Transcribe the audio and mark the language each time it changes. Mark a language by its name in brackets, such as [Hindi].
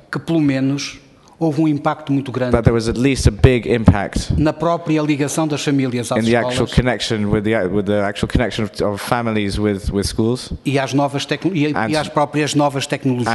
[Portuguese] Que pelo menos houve um impacto muito grande. [English] That there was at least a big impact [Portuguese] na própria ligação das famílias às [English] in the [Portuguese] escolas. [English] Actual connection with the actual connection of families with schools. [Portuguese] E às novas e às próprias novas tecnologias.